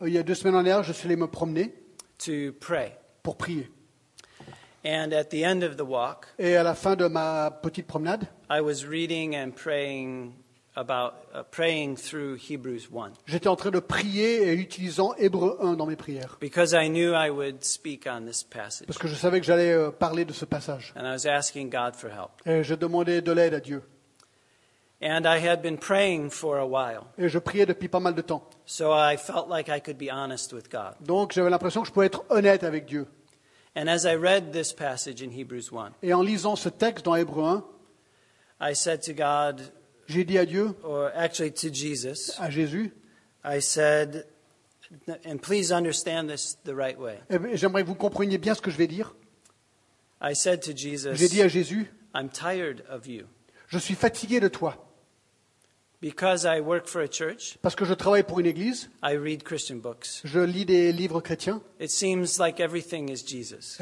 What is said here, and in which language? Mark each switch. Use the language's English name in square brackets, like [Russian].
[French] Il y a deux semaines en arrière, je suis allé me promener. [English] To pray. [French] Pour prier. [English] And at the end of the walk. [French] Et à la fin de ma petite promenade. [English] I was reading and praying through Hebrews 1. [French] J'étais en train de prier et utilisant Hébreux 1 dans mes prières. [English] Because I knew I would speak on this passage. [French] Parce que je savais que j'allais parler de ce passage. [English] And I was asking God for help. [French] Et je demandais de l'aide à Dieu. [English] And I had been praying for a while. [French] Et je priais depuis pas mal de temps. [English] So I felt like I could be honest with God. [French] Donc j'avais l'impression que je pouvais être honnête avec Dieu. [English] And as I read this passage in Hebrews 1. [French] Et en lisant ce texte dans Hébreux 1. [English] I said to God. [French] J'ai dit à Dieu. [English] Or actually to Jesus. [French] À Jésus. [English] I said, and please understand this the right way. [French] Et j'aimerais que vous compreniez bien ce que je vais dire. [English] I said to Jesus. [French] J'ai dit à Jésus. [English] I'm tired of you. [French] Je suis fatigué de toi. [English] Because I work for a church, [French] parce que je travaille pour une église. [English] I read Christian books. [French] Je lis des livres chrétiens. [English] It seems like everything is Jesus.